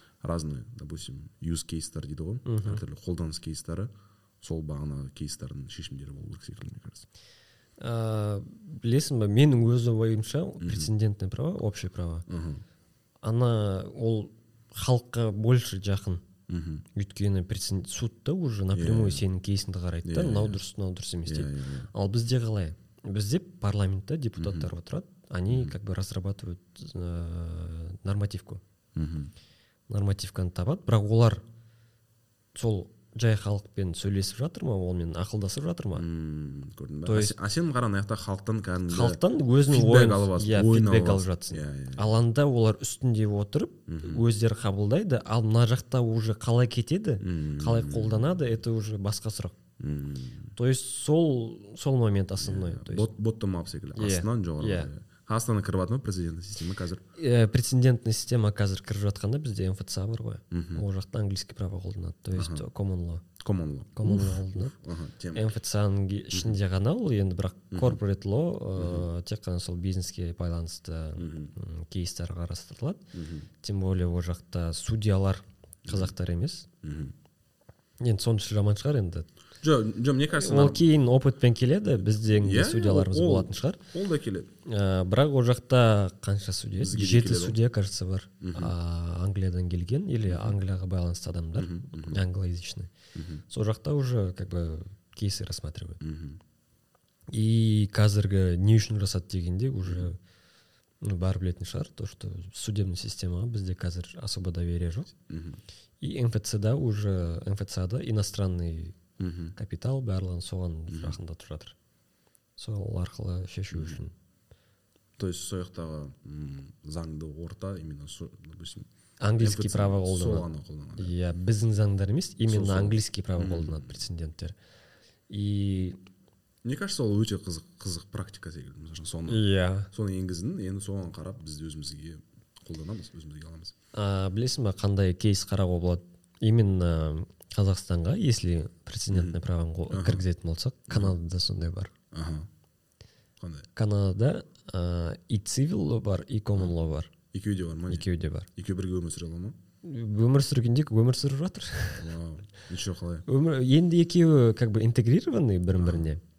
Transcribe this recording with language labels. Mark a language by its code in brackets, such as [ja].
[ru] Разные, допустим, [kk] use кейстер дейді ғой, әртүрлі қолданыс кейстері, сол бағана кейстердің шешімдері болу керек секілді, [ru] мне кажется. [kk] Білесің ба, менің өз ойымша прецедентный право, общий право. Ана ол халыққа больше жақын. Өйткені прецедент судта уже напрямую сенің кейсіңді қарайды да, мынау дұрыс, мынау дұрыс емес дейді. Ал бізде қалай? Бізде парламентте депутаттар отырады, [ru] они разрабатывают нормативку. [kk] Нормативканы табады, бірақ олар сол жай халықпен сөйлесіп жатыр ма, олмен ақылдасып жатыр ма? Көрдің бе? А сен қараң, аяқта халықтан кәдімгі... Халықтан өзінің ойын алып жатсын. Yeah, фидбек алып жатсын. [en] Yeah, yeah. [kk] Аланда олар үстінде отырып, өздері қабылдайды, ал мына жақта уже қалай кетеді, қалай қолданады, [ru] это уже [kk] басқа сұрақ. [ru] То есть сол момент основной. [kk] Боттом ап секілді. Астынан жоғары. Астынан кіріп жатқан президенттік система қазір. Президенттік система қазір кіріп жатқанда бізде МФЦ бар ғой. Ол жақта английский право қолданады. То есть common law. [en] Common law. [kk] Common law қолданады. МФЦ-ның ішінде ғана ол, енді бірақ corporate law тек қана сол бизнеске байланысты кейстер қарастырылады. Тем более ол жақта судьялар қазақтар емес. Енді соны жаман шығар енді. [ru] Жо, мне кажется, [kk] ол кейін опытпен келеді, біздің судьяларымыз болатын шығар. Ол да келеді. Бірақ ол жақта қанша судья? 7 судья, кажется, бар. Англиядан келген, или Англияға байланысты адамдар, англоязычный. [ru] Сол жақта уже как бы кейсы рассматривают. [kk] И қазіргі не үшін жасады дегенде уже бар білетін шығар, [ru] то, что судебная система [kk] бізде қазір [ru] особо доверия [kk] жоқ. И МФЦ-да уже, МФЦ-да иностранный капитал барлығын соған жақында тұрып жатыр. Сол арқылы шешу үшін. То есть сол жақтағы заңды орта именно сол, допустим, английский право қолданады. Иә, біздің заңдар емес, именно английский право қолданады прецеденттер. И мне кажется, ол өте қызық практика секілді, мысалы, соны. Иә. Соны енгіздің, енді соған қарап біз өзімізге қолданамыз, өзімізге аламыз. Білесің бе, қандай кейс қарауға болады? Именно Қазақстанға, если президентный правын кіргізетін болсақ, Канадада сондай бар. Канадада и civil law бар, и common law бар. Екеуі де бар ма? Екеуі де бар. Екеуі бірге өмір сүре ала ма? Өмір сүргенде өмір сүріп жатыр. [ru] Вау, ничего қалай. [kk] Өмір енді екеуі [ru] как бы интегрированный [kk] бір-біріне.